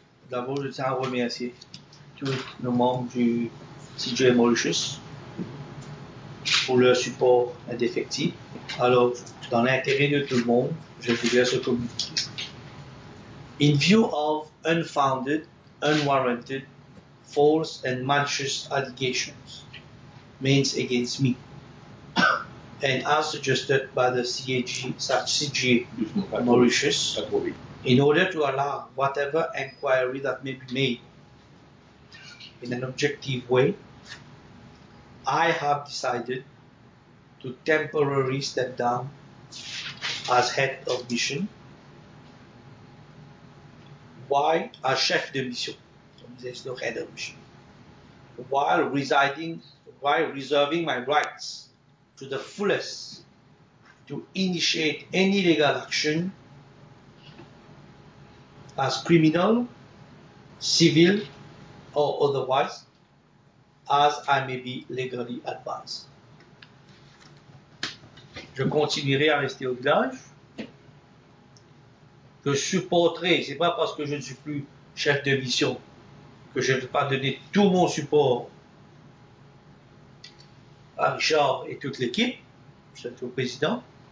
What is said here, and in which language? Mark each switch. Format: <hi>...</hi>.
<fr>D'abord, je tiens à remercier tous nos membres du CJ Mauritius pour leur support indéfectible. Alors, dans l'intérêt de tout le monde, je voudrais se communiquer.</fr> <en>In view of unfounded, unwarranted, false and malicious allegations made against me, and as suggested by the CJ Mauritius, in order to allow whatever inquiry that may be made in an objective way, I have decided to temporarily step down as head of mission. Why a chef de mission? There's no head of mission. While reserving my rights to the fullest to initiate any legal action as criminal, civil, or otherwise, as I may be legally advised.</en> <fr>Je continuerai à rester au village. Je supporterai, c'est pas parce que je ne suis plus chef de mission que je ne vais pas donner tout mon support à Richard et toute l'équipe, surtout au président.</fr>